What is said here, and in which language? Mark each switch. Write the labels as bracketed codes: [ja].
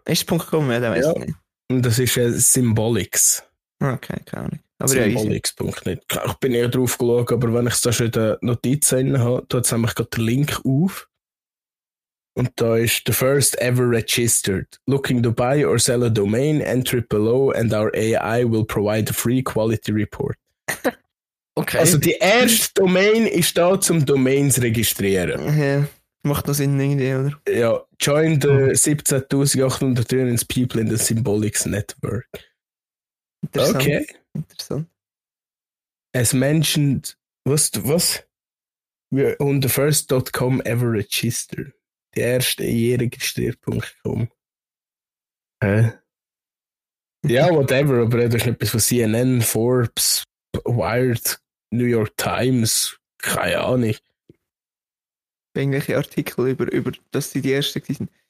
[de] Ist .com, ja, dann weiss ich nicht. Und das ist Symbolics. Okay, keine Ahnung. Symbolics.net. Ja, ich bin eher drauf geschaut, aber wenn ich es da schon in den Notizen habe, tut es nämlich gerade den Link auf. Und da ist [en] the first ever registered. Looking to buy or sell a domain, enter it below and our AI will provide a free quality report. [de] Okay. Also die erste Domain ist da zum Domains registrieren. Ja. Macht noch Sinn irgendwie, oder? [en] Ja, join the 17.893 people in the Symbolics Network. [de] Interessant. [en] As mentioned, [de] was? [en] We are on the first.com ever registered. [de] Die erste jährige-registriert.com. Hä? Ja, whatever, aber das ist etwas von CNN, Forbes, Wired, New York Times, keine Ahnung. Irgendwelche Artikel über dass sie die ersten waren.